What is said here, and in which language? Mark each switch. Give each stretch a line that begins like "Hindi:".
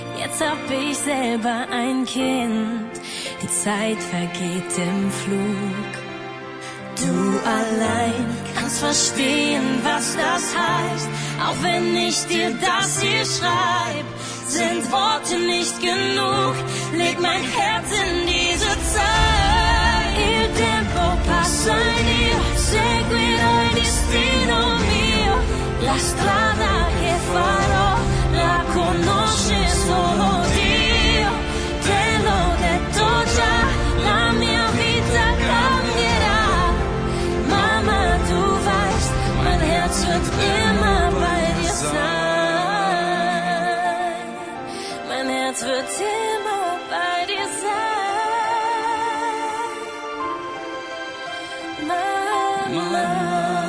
German: Jetzt hab ich selber ein Kind. Die Zeit vergeht im Flug. Du allein kannst verstehen, was das heißt. Auch wenn ich dir das hier schreib, sind Worte nicht genug. Leg mein Herz in diese Zeit.
Italian: Il tempo passa in io, seguirò il destino mio. La strada che farò, la conosce solo Dio. Te l'ho detto già, la mia vita cambierà.
German: Mama, du weißt, mein Herz wird immer bei dir sein. Mein Herz wird immer bei dir sein. Mama.